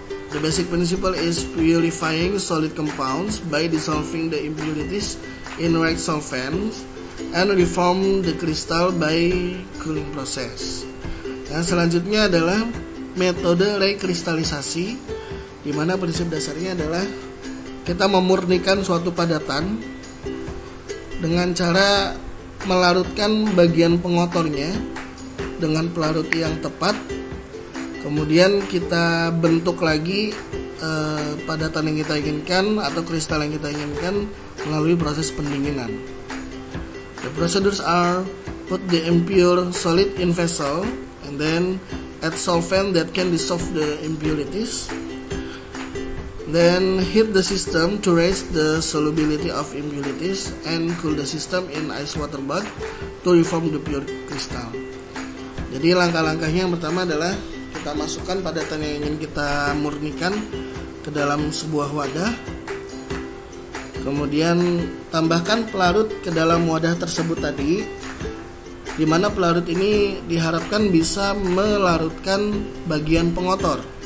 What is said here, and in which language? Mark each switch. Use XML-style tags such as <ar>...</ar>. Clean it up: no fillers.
<en>The basic principle is purifying solid compounds by dissolving the impurities in red solvents and reform the crystal by cooling process.</en> <id>Yang selanjutnya adalah metode rekristalisasi, di mana prinsip dasarnya adalah kita memurnikan suatu padatan dengan cara melarutkan bagian pengotornya dengan pelarut yang tepat. Kemudian kita bentuk lagi padatan yang kita inginkan atau kristal yang kita inginkan melalui proses pendinginan.</id> <en>The procedures are: put the impure solid in vessel and then add solvent that can dissolve the impurities. Then heat the system to raise the solubility of impurities and cool the system in ice water bath to reform the pure crystal.</en> <id>Jadi langkah-langkahnya yang pertama adalah kita masukkan padatan yang ingin kita murnikan ke dalam sebuah wadah. Kemudian tambahkan pelarut ke dalam wadah tersebut tadi, di mana pelarut ini diharapkan bisa melarutkan bagian pengotor.</id>